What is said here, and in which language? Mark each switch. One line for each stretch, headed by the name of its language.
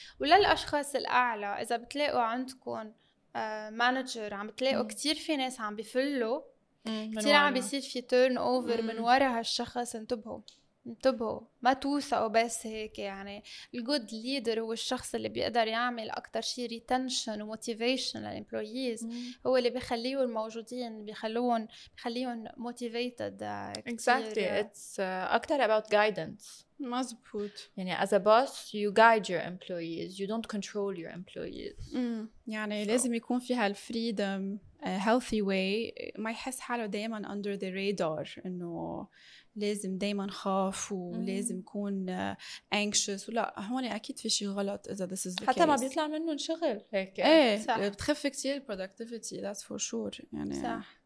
Arabic: وللاشخاص الاعلى اذا بتلاقوا عندكم مانجر عم بتلاقوا كتير في ناس عم بفلوا كتير عم بيصير في تيرن اوفر من ورا هالشخص، انتبهوا انتبهوا ما توثقوا بس هيك. يعني الجود ليدر هو الشخص اللي بيقدر يعمل أكتر شيء ريتنشن وموتيفيشن للإمبلويز، هو اللي بيخليهم الموجودين بيخليهم موتيفيتد
English: exactly. It's أكتر about guidance.
Arabic: مزبوط.
English: يعني as a boss you guide your employees, you don't control your employees.
Arabic: يعني so. لازم يكون فيها الفريدم healthy way، ما يحس حاله دائما under the radar إنه لازم دايما خاف ولازم يكون anxious. ولا هون اكيد في شيء غلط اذا this is the حتى
English: case.
Arabic: ما بيطلع منه شغل هيك صح. بتخف كثير productivity that's for sure، يعني صح.